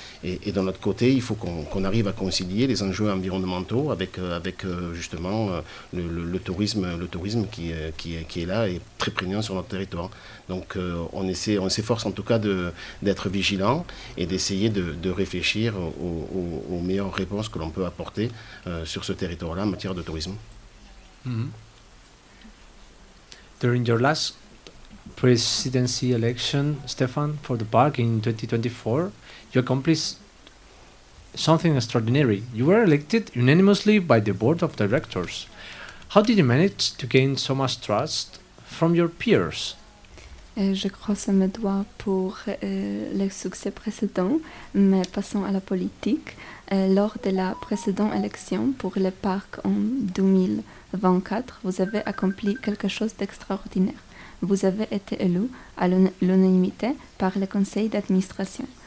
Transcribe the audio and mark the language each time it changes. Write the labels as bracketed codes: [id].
[fr] Et d'un autre côté, il faut qu'on arrive à concilier les enjeux environnementaux avec justement le tourisme qui est là et très prégnant sur notre territoire. Donc on s'efforce en tout cas d'être vigilant et d'essayer de réfléchir aux meilleures réponses que l'on peut apporter sur ce territoire-là en matière de tourisme. Mm-hmm. [en] During your last presidency election, Stefan, for the park in 2024, you accomplished something extraordinary. You were elected unanimously by the board of directors. How did you manage to gain so much trust from your peers? [fr] Je croise mes doigts pour le succès précédent, mais passons à la politique. Lors de la précédente élection pour le parc en 2024, vous avez accompli quelque chose d'extraordinaire. Vous avez été élu à l'unanimité par le conseil d'administration.